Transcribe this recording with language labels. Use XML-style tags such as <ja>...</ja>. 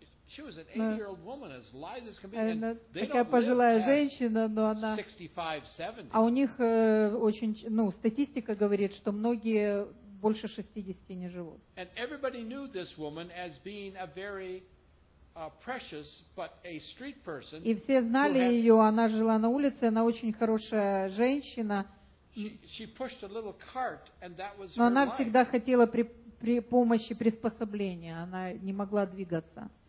<en>She was an 80-year-old woman, as lithe as can be.</en> <ru>Такая пожилая женщина, но она. 65-70. А у них очень, статистика говорит, что многие больше 60 не живут.</ru> <en>And everybody knew this woman as being a very precious, but a street person.</en> <ru>И все знали ее. Она жила на улице. Она очень хорошая женщина.</ru> <en>She pushed a little cart, and that was.</en> <ru>Но она всегда хотела при помощи приспособления. Она не могла двигаться.</ru>